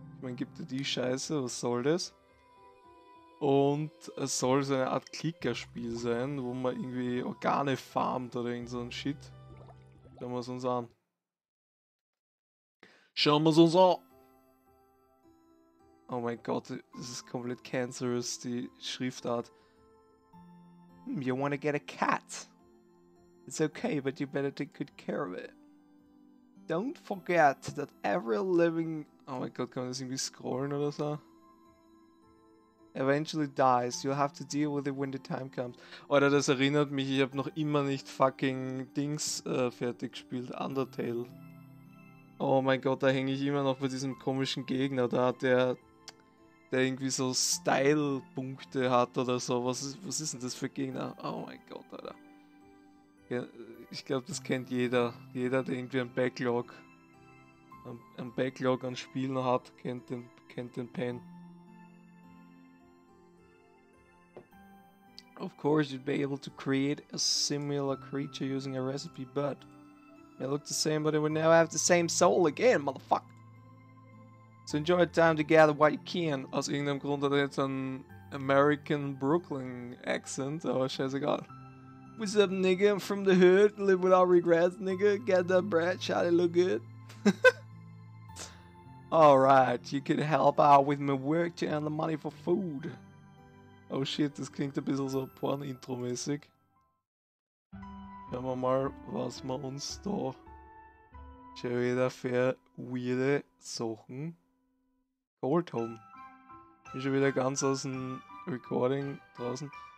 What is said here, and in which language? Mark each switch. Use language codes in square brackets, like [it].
[de] Ich meine, gibt dir die Scheiße, was soll das? Und es soll so eine Art Clicker-Spiel sein, wo man irgendwie Organe farmt oder irgend so ein Shit. Schauen wir es uns an. Schauen wir es uns an! Oh mein Gott, das ist komplett cancerous, die Schriftart. [en] You wanna get a cat? It's okay, but you better take good care of it. Don't forget that every living... [de] Oh mein Gott, kann man das irgendwie scrollen oder so? [en] Eventually dies, you'll have to deal with it when the time comes. [de] Oder das erinnert mich, ich habe noch immer nicht fucking Dings fertig gespielt, Undertale. Oh mein Gott, da hänge ich immer noch bei diesem komischen Gegner da, der irgendwie so Style-Punkte hat oder so. Was ist denn das für Gegner? Oh mein Gott, Alter. Ja, ich glaube, das kennt jeder. Jeder, der irgendwie einen Backlog an Spielen hat, kennt den Pain. [en] Of course, you'd be able to create a similar creature using a recipe, but it may look the same, but it would never have the same soul again, motherfucker. So enjoy the time together while you can. [de] Aus irgendeinem Grund hat er jetzt einen American Brooklyn Accent, aber scheißegal. [en] What's up, nigga? I'm from the hood. Live without regrets, nigga. Get that bread. Shall it look good? Alright, you could help out with my work to earn the money for food. [de] Oh shit, das klingt ein bisschen so Porn-Intro-mäßig. Schauen wir mal, was wir uns da schon wieder für weirde Sachen. Gold Home. Bin schon wieder ganz aus dem Recording draußen.